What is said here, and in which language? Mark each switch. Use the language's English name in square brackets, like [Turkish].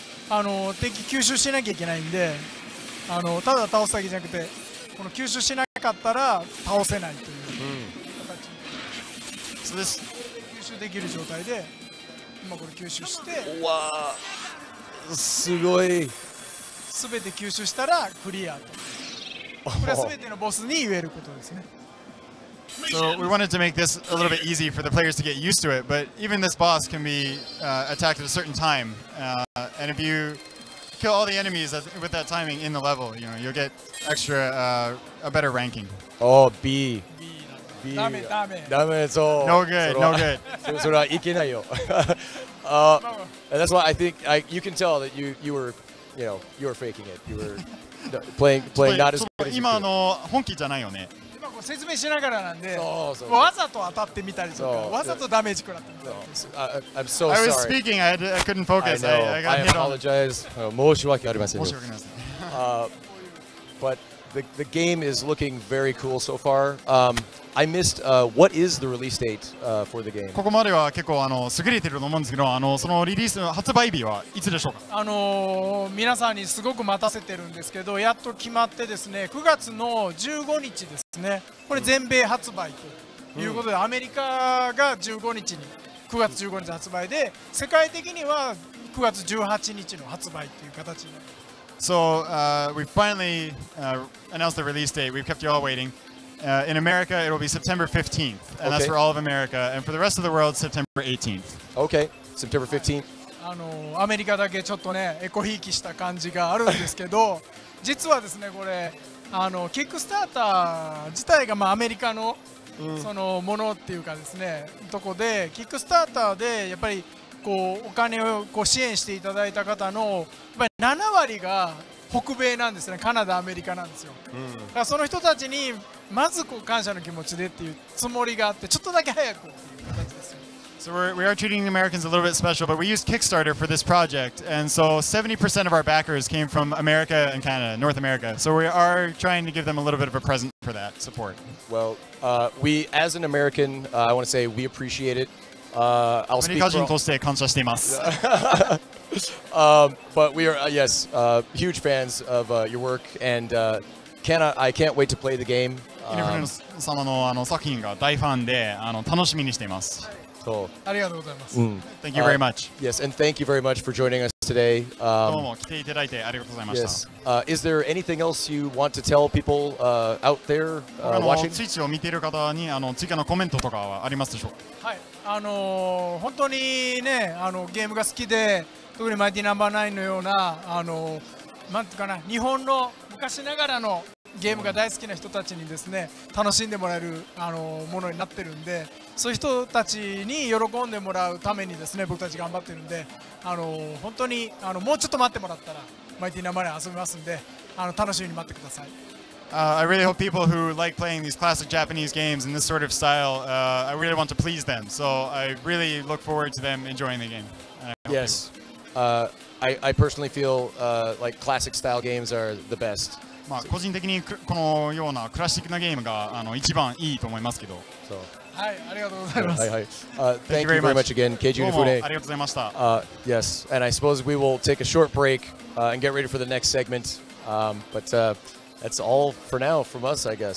[Japanese] あの敵吸収しなきゃいけないんで、あのただ倒すだけじゃなくて、この吸収しなかったら倒せないという形、うん、そうです。吸収できる状態で今これ吸収して、うわすごい。すべて吸収したらクリアと。これはすべてのボスに言えることですね。 [English] So we wanted to make this a little bit easy for the players to get used to it, but even this boss can be attacked at a certain time. And if you kill all the enemies with that timing in the level, you know, you'll get extra, a better ranking. Oh, B. [Japanese] B. Dame, dame. [English] No good, no good. [Japanese] それはいけないよ. [English] And that's why I think you can tell that you were, you know, you were faking it. You were playing not as good as you. [Japanese] 今の本気じゃないよね。説明しながらなんで、そう、わざと当たってみたりとか、わざとダメージ食らってみたり。 [English] I'm so sorry. I was speaking. I couldn't focus. I apologize. [Japanese] 申し訳ありません。申し訳ありません。 [English] But the game is looking very cool so far. I missed. What is the release date for the game? [Japanese] ここまでは結構優れてると思うんですけど、そのリリースの発売日はいつでしょうか？皆さんにすごく待たせてるんですけど、やっと決まってですね、9月の15日ですね。これ全米発売ということで、アメリカが15日に、9月15日発売で、世界的には9月18日の発売という形になります。 [English] So, we finally announced the release date. We've kept you all waiting. In America, it will be September 15th, and okay. That's for all of America. And for the rest of the world, September 18th. Okay, September 15th. [Japanese] アメリカだけちょっとね、エコひいきした感じがあるんですけど、実はですね、これ、キックスターター自体がまあアメリカの、そのものっていうかですね、とこで、キックスターターでやっぱり、こうお金をこう支援していただいた方のやっぱり7割が北米なんですね、カナダ、アメリカなんですよ、だからその人たちにまずこう感謝の気持ちでっていうつもりがあって、ちょっとだけ早くっていう形ですよ。 [English] So we are treating the Americans a little bit special, but we used Kickstarter for this project, and so 70% of our backers came from America and Canada, North America. So we are trying to give them a little bit of a present for that support. Well, we, as an American, I want to say we appreciate it. [Japanese] アメリカ人として感謝しています。 [English] But we are, yes, huge fans of your work, and I can't wait to play the game. [Japanese] イルフレム様の作品が大ファンで楽しみにしています。そう。ありがとうございます。 [English] Thank you very much. Yes, and thank you very much for joining us today. [Japanese] どうも来ていただいてありがとうございました。 [English] Yes. Is there anything else you want to tell people out there watching? [Japanese] ツイッチを見ている方に追加のコメントとかはありますでしょうか？はい。本当にね、ゲームが好きで、特にマイティナンバーナインのような、なんていうかな、日本の昔ながらのゲームが大好きな人たちにですね、楽しんでもらえる、ものになってるんで、そういう人たちに喜んでもらうためにですね、僕たち頑張ってるんで、本当にもうちょっと待ってもらったら、マイティナンバーナイン遊びますんで、楽しみに待ってください。 [English] I really hope people who like playing these classic Japanese games in this sort of style, I really want to please them. So I really look forward to them enjoying the game. Yes, I personally feel like classic style games are the best. [Japanese] まあ個人的にこのようなクラシックなゲームが一番いいと思いますけど。 [English] So. [Japanese] はい、ありがとうございます。はいはい。 [English] Thank you very much again, Keiji Inafune. [Japanese] どうもありがとうございました。 [English] Yes, and I suppose we will take a short break and get ready for the next segment. But That's all for now from us, I guess.